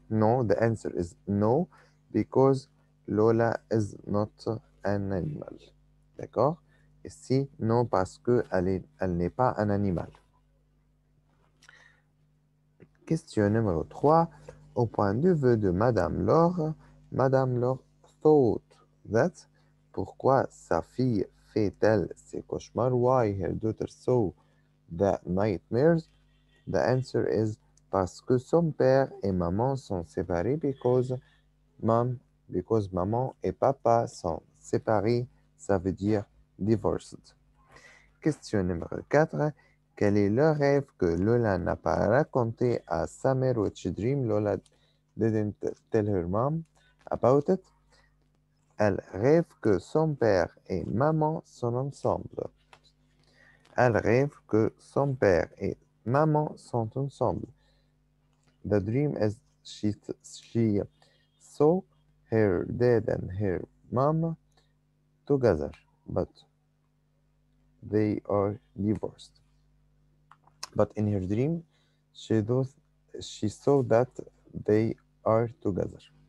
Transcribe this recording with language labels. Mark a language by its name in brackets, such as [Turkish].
[English] No, the answer is no, because Lola is not an animal. [French] D'accord? Et si, non, parce qu'elle n'est pas un animal. Question numéro 3. Au point de vue de Madame Laure [English] thought that. [French] Pourquoi sa fille fait-elle ses cauchemars? [English] Why her daughter saw the nightmares? The answer is [French] parce que son père et maman sont séparés [English] because [French] maman et papa sont séparés, ça veut dire [English] divorced. [French] Question numéro 4. Quel est le rêve que Lola n'a pas raconté à sa mère? [English] What she dream? Lola didn't tell her mom about it. [French] Elle rêve que son père et maman sont ensemble. Elle rêve que son père et maman sont ensemble. [English] The dream is she saw her dad and her mom together, but they are divorced. But in her dream, she saw that they are together.